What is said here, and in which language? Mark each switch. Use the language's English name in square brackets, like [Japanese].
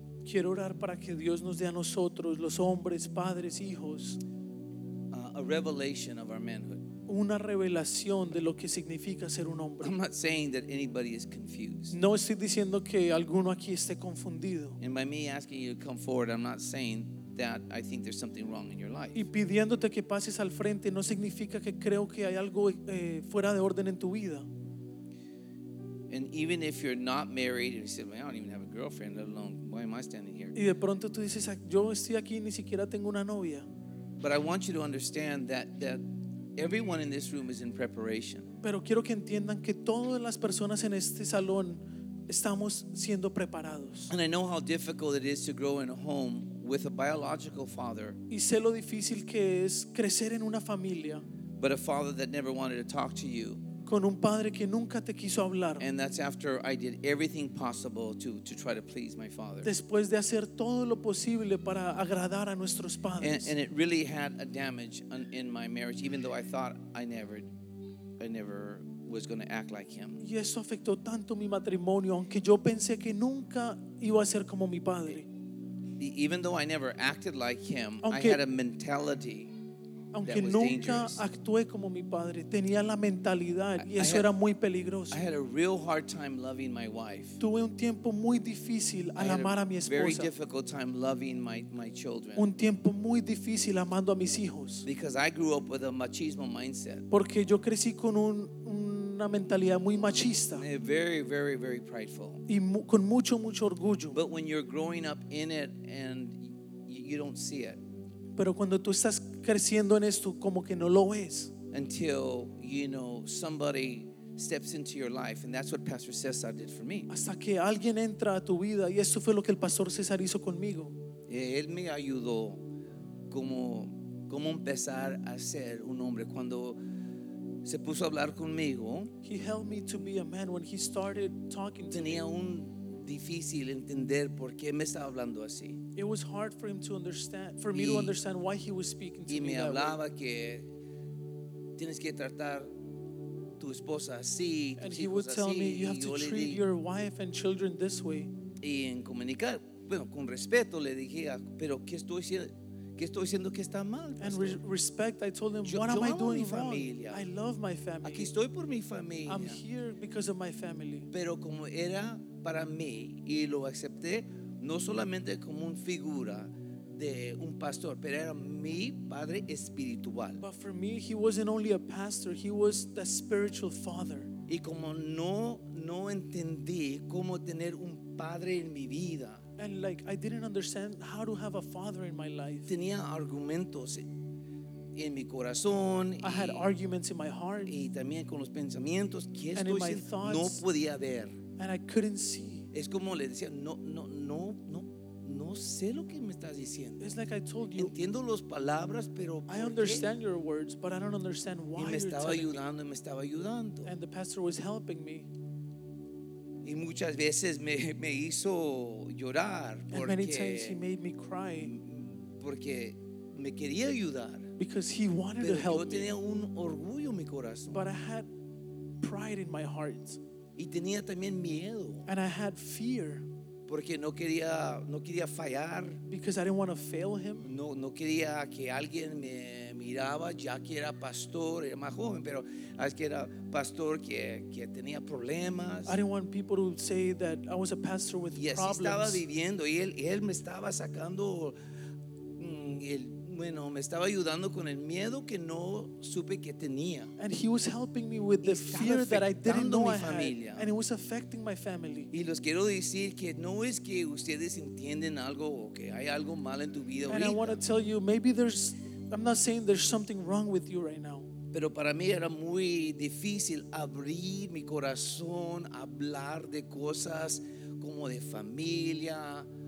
[Spanish] Quiero orar para que Dios nos dé a nosotros, los hombres, padres, hijos, [English] a revelation of our manhood. [Spanish] Una revelación de lo que significa ser un hombre. [English] I'm not saying that anybody is confused. [Spanish] No estoy diciendo que alguno aquí esté confundido. [English] And by me asking you to come forward, I'm not saying that I think there's something wrong in your life. [Spanish] Y pidiéndote que pases al frente no significa que creo que hay algo fuera de orden en tu vida. [English] And even if you're not married, you say, well, I don't even have a girlfriend, let alone, why am I standing here? [Spanish] Y de pronto tú dices, yo estoy aquí ni siquiera tengo una novia. [English] But I want you to understand that everyone in this room is in preparation. [Spanish] Pero quiero que entiendan que todas las personas en este salón estamos siendo preparados. [English] And I know how difficult it is to grow in a home with a biological father. [Spanish] Y sé lo difícil que es crecer en una familia. [English] But a father that never wanted to talk to you. [Spanish] Con un padre que nunca te quiso hablar. [English] And that's after I did everything possible to try to please my father. [Spanish] Después de hacer todo lo posible para agradar a nuestros padres. [English] And it really had a damage in my marriage, even though I thought I never was going to act like him. [Spanish] Y eso afectó tanto mi matrimonio, aunque yo pensé que nunca iba a ser como mi padre. [English] even though I never acted like him, [Spanish] aunque, [English] I had a mentality [Spanish] aunque [English] that was [Spanish] nunca [English] dangerous. [Spanish] Actué como mi padre, tenía la mentalidad y eso era muy peligroso. [English] I had a real hard time loving my wife. [Spanish] Tuve un tiempo muy difícil al amar a mi esposa. [English] Very difficult time loving my children. [Spanish] Un tiempo muy difícil amando a mis hijos. [English] Because I grew up with a machismo mindset. [Spanish] Porque yo crecí con una mentalidad muy machista. [English] Very, very, very prideful. [Spanish] Y con mucho orgullo. [English] But when you're growing up in it and you don't see it. [Spanish] Pero cuando tú estás creciendo en esto, como que no lo ves. [English] Until, you know, somebody steps into your life, and that's what Pastor Cesar did for me. [Spanish] Hasta que alguien entra a tu vida, y eso fue lo que el Pastor Cesar hizo conmigo. Él me ayudó como empezar a ser un hombre cuando se puso a hablar conmigo. [English] He helped me to be a man when he started talking to me. [Spanish] Tenía un difícil entender por qué me estaba hablando así. [English] It was hard for him to understand, for me to understand why he was speaking to me. [Spanish] Y me hablaba que tienes que tratar tu esposa así. [English] And he would tell me you have to treat your wife and children this way. [Spanish] Y en comunicar, bueno, con respeto le dije, pero ¿qué estoy haciendo? ¿Qué estoy diciendo que está mal? [English] And respect, I told him, what am I doing wrong? I love my family. [Spanish] Aquí estoy por mi familia. [English] I'm here because of my family. [Spanish] Pero como era para mí y lo acepté, no solamente como una figura de un pastor, pero era mi padre espiritual. [English] But for me, he wasn't only a pastor, he was the spiritual father. [Spanish] Y como no entendí cómo tener un padre en mi vida. [English] And like I didn't understand how to have a father in my life. [Spanish] Tenía argumentos en mi corazón. [English] I had arguments in my heart. [Spanish] Y también con los pensamientos. ¿Qué [English] and [Spanish] estoy [English] in my sin? Thoughts. [Spanish] No podía ver. [English] And I couldn't see. [Spanish] Es como le decía, no sé lo que me estás diciendo. [English] It's like I told you. [Spanish] Entiendo las palabras, pero [English] I understand your words, but I don't understand why. [Spanish] Y me estaba ayudando, me estaba ayudando. [English] And the pastor was helping me. [Spanish] Y muchas veces me hizo llorar porque, [English] and many times he made me cry [Spanish] porque me quería ayudar. [English] Because he wanted [Spanish] pero [English] to help [Spanish] yo tenía [English] me. [Spanish] Un orgullo en mi corazón. [English] But I had pride in my heart. [Spanish] Y tenía también miedo. [English] And I had fear. [Spanish] Porque no quería fallar. [English] Because I didn't want to fail him. [Spanish] No quería que alguien me miraba, ya que era pastor, era más joven, pero es que era pastor que tenía problemas. [English] I didn't want people to say that I was a pastor with problems. [Spanish] Y así estaba viviendo, y él me estaba sacando, me estaba ayudando con el miedo que no supe que tenía. [English] And he was helping me with the fear that I didn't know I had. And it was affecting my family. [Spanish] Y les quiero decir que no es que ustedes entienden algo o que hay algo mal en tu vida. [English] And I want to tell you, maybe there's, I'm not saying there's something wrong with you right now. [Spanish] Pero para mí era muy difícil abrir mi corazón, hablar de cosas como de familia.